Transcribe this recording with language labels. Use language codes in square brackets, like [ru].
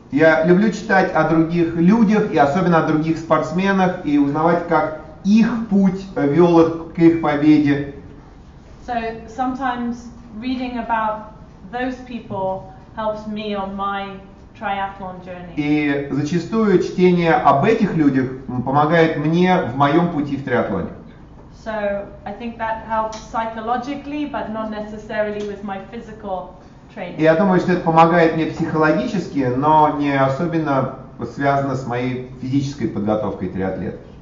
[ru] Я люблю читать о других людях и особенно о других спортсменах и узнавать, как их путь вел их к их победе. [en] So sometimes reading about those people helps me on my [ru] и зачастую чтение об этих людях помогает мне в моем пути в триатлоне. [en] So, I think that helps psychologically, but not necessarily with my physical training. [ru] И я думаю, что это помогает мне психологически, но не особенно связано с моей физической подготовкой триатлет.